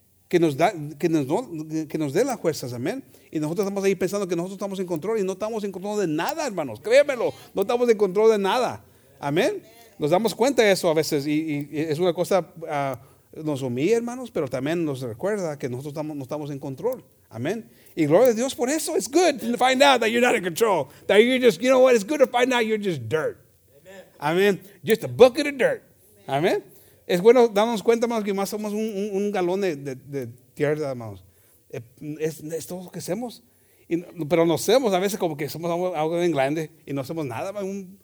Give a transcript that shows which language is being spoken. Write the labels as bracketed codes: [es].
[es] Que nos dé las fuerzas, amén. Y nosotros estamos ahí pensando que nosotros estamos en control y no estamos en control de nada, hermanos. Créemelo, no estamos en control de nada. Amén. Nos damos cuenta de eso a veces y es una cosa, nos humilla, hermanos, pero también nos recuerda que nosotros no estamos en control. Amén. Y gloria a Dios por eso. [en] It's good to find out that you're not in control. That you're just, it's good to find out you're just dirt. Amén. Just a bucket of dirt. Amén. [es] Es bueno darnos cuenta, hermanos, que más somos un galón de tierra, hermanos. Es todo lo que hacemos. Pero nos hacemos a veces como que somos algo en grande y no hacemos nada, hermanos.